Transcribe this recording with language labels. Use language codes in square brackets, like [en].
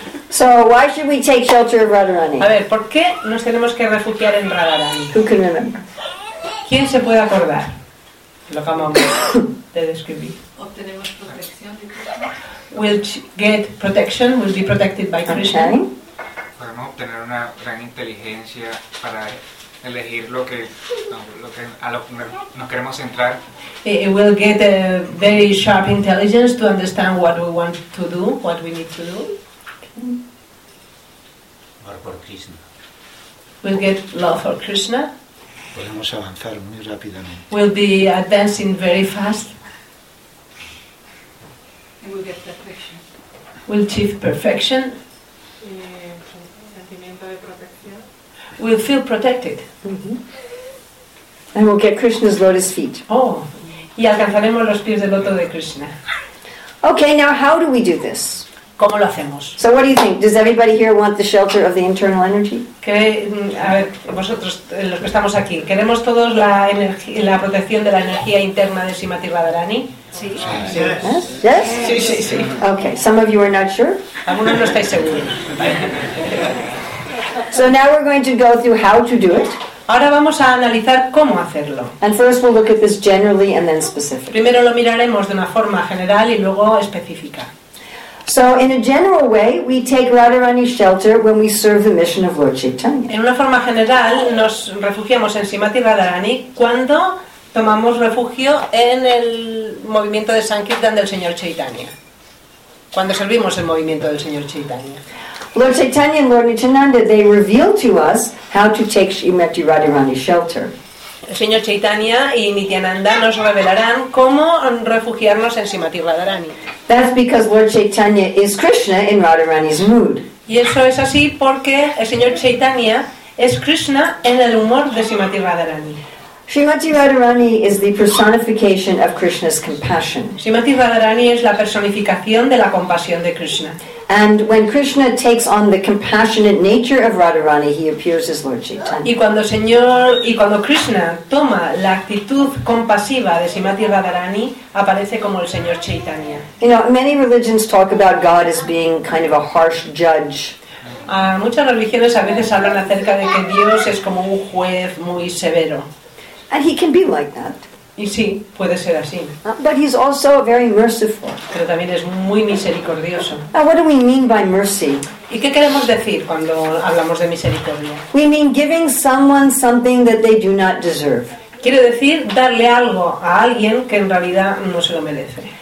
[en] So why should we take shelter of Radharani? [es] A ver, ¿por qué nos tenemos que refugiar en Radharani? [en] Who can remember? [es] ¿Quién se puede acordar? Lo acabamos de describir. Obtenemos protección de [en] Krishna. We'll get protection, we'll be protected by Krishna. Okay. [es] Podemos obtener una gran inteligencia para elegir lo que a lo que nos queremos centrar. [en] It will get a very sharp intelligence to understand what we want to do, what we need to do. [es] Amor por Krishna. [en] We'll get love for Krishna. [es] Podemos avanzar muy rápidamente. [en] We'll be advancing very fast. And we'll get perfection. We'll achieve perfection. We'll feel protected. Mm-hmm. And we'll get Krishna's lotus feet. [es] Oh, y alcanzaremos los pies del loto de Krishna. [en] Okay, now how do we do this? [es] ¿Cómo lo hacemos? [en] So what do you think? Does everybody here want the shelter of the internal energy? [es] ¿Qué, a ver, vosotros, los que estamos aquí, ¿queremos todos la protección de la energía interna de Srimati Radharani? Sí. [en] Yes. Yes? Yes. [es] Sí, sí, sí. [en] Okay, some of you are not sure? [es] Algunos no estáis seguros. [en] So now we're going to go through how to do it. [es] Ahora vamos a analizar cómo hacerlo. [en] And first we'll look at this generally and then specific. [es] Primero lo miraremos de una forma general y luego específica. [en] So in a general way, we take Radharani's shelter when we serve the mission of Lord Chaitanya. [es] En una forma general, nos refugiamos en Srimati Radharani cuando tomamos refugio en el movimiento de Sankirtan del Señor Chaitanya. Cuando servimos el movimiento del Señor Chaitanya. [en] Lord Chaitanya and Lord Nityananda, they reveal to us how to take Srimati Radharani's shelter. [es] El Señor Chaitanya y Nityananda nos revelarán cómo refugiarnos en Srimati Radharani. [en] That's because Lord Chaitanya is Krishna in Radharani's mood. [es] Y eso es así porque el Señor Chaitanya es Krishna en el humor de Srimati Radharani. [en] Srimati Radharani is the personification of Krishna's compassion. [es] Srimati Radharani es la personificación de la compasión de Krishna. [en] And when Krishna takes on the compassionate nature of Radharani, he appears as Lord Chaitanya. [es] Y cuando Krishna toma la actitud compasiva de Srimati Radharani, aparece como el Señor Chaitanya. [en] You know, many religions talk about God as being kind of a harsh judge. [es] Muchas religiones a veces hablan acerca de que Dios es como un juez muy severo. [en] And he can be like that. [es] Y sí, puede ser así. [en] But he's also very merciful. [es] Pero también es muy misericordioso. [en] Now, what do we mean by mercy? [es] ¿Y qué queremos decir cuando hablamos de misericordia? [en] We mean giving someone something that they do not deserve. [es] Quiere decir darle algo a alguien que en realidad no se lo merece.